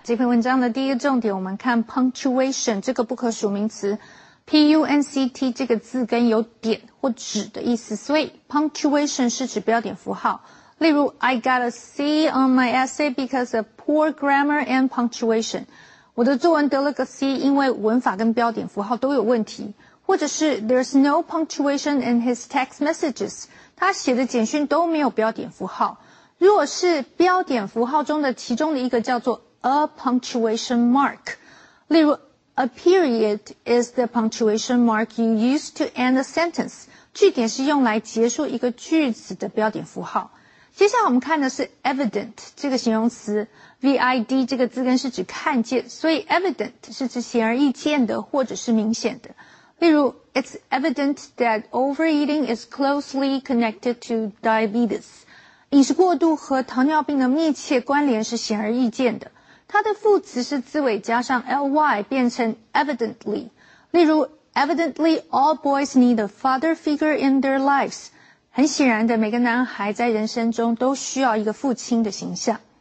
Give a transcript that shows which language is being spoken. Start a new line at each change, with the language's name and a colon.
Chinese: 这篇文章的第一个重点，我们看 punctuation 这个不可数名词。 P-U-N-C-T 这个字根有点或止的意思，所以 punctuation 是指标点符号。例如
English: I got a C on my essay because of poor grammar and punctuation.
Chinese: 我的作文得了个 C 因为文法跟标点符号都有问题。或者是
English: There's no punctuation in his text messages.
Chinese: 他写的简讯都没有标点符号。如果是标点符号中的其中的一个叫做
English: a punctuation mark.
Chinese: 例如
English: A period is the punctuation mark you use to end a sentence.
Chinese: 句点是用来结束一个句子的标点符号。接下来我们看的是 evident 这个形容词 ,vid 这个字根是指看见，所以 evident 是指显而易见的或者是明显的。例如
English: ,it's evident that overeating is closely connected to diabetes.
Chinese: 饮食过度和糖尿病的密切关联是显而易见的。它的副词是字尾加上 ly 变成 evidently。例如
English: ,evidently all boys need a father figure in their lives.
Chinese: 很显然的，每个男孩在人生中都需要一个父亲的形象。